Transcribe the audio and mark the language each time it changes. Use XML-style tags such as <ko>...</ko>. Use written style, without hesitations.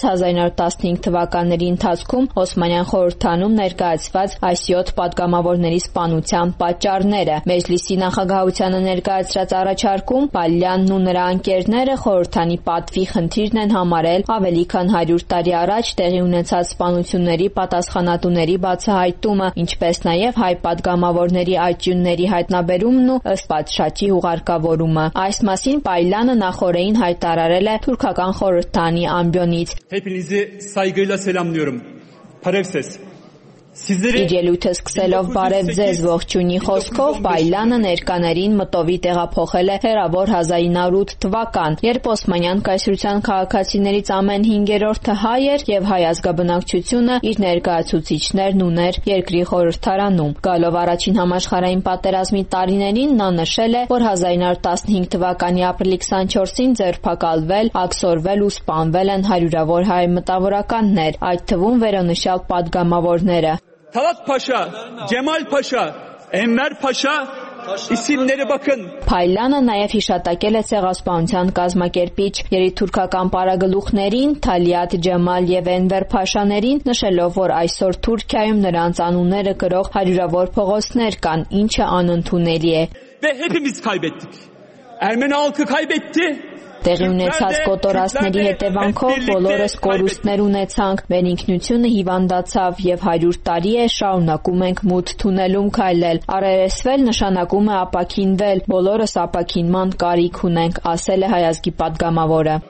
<hy>1915 թվականների ընթացքում Օսմանյան խորհրդանում ներկայացված այս 7 պատգամավորների սպանության պատճառները։ Մեջլիսի նախագահությանը ներկայացրած առաջարկում Պալյանն ու նրա ընկերները խորհրդանի պատվի խնդիրն են համարել ավելի քան 100 տարի առաջ տեղի ունեցած սպանությունների պատասխանատուների բացահայտումը, ինչպես նաև հայ պատգամավորների աճյունների հայտնաբերումն ու ըստ պատշաճի ուղարկավորումը։ Այս մասին Պալյանը նախորդին հայտարարել է թուրքական խորհրդանի ամբիոնից։</hy> <tr>Hepinizi saygıyla selamlıyorum.</tr> <hy>Parevses. Իր ելույթը սկսելով բարև ձեզ ողջունի խոսքով, Պալյանը ներկաներին մտովի տեղափոխել է հերավոր 1908 թվական, երբ Օսմանյան կայսրության քաղաքացիներից ամեն 5-րդը հայ էր եւ հայ ազգաբնակչությունը իր ներկայացուցիչներն ուներ երկրի խորհրդարանում։ Գալով առաջին համաշխարհային պատերազմի տարիներին, նա նշել է, որ 1915 թվականի ապրիլի 24-ին ձերբակալվել, աքսորվել ու սպանվել են հարյուրավոր հայ մտավորականներ, այդ թվում վերոնշյալ պատգամավորները։</hy> <tr>Talat Paşa, Cemal Paşa, Enver Paşa isimlere bakın.</tr> <hy>Փալյանը նաև հիշատակել է ցեղասպանության կազմակերպիչ երիտթուրքական պարագլուխներին Թալիաթ Ջեմալ եւ Էնվեր Փաշաներին, նշելով, որ այսօր Թուրքիայում նրանց անունները գրող հարյուրավոր փողոցներ կան, ինչը անընդունելի է։</hy> <tr>Ve hepimiz kaybettik. Ermeni halkı kaybetti.</tr> <hy>Տեղի ունեցած կոտորածների հետևանքով բոլորս կորուստներ ունեցանք, մեր ինքնությունը հիվանդացավ և 100 տարի է շարունակում ենք մութ թունելում քայլել։ Առերեսվել նշանակում է ապաքինվել, բոլորս ապաքինման կարիք ունենք, ասել է հայազգի պատգամավորը։</hy>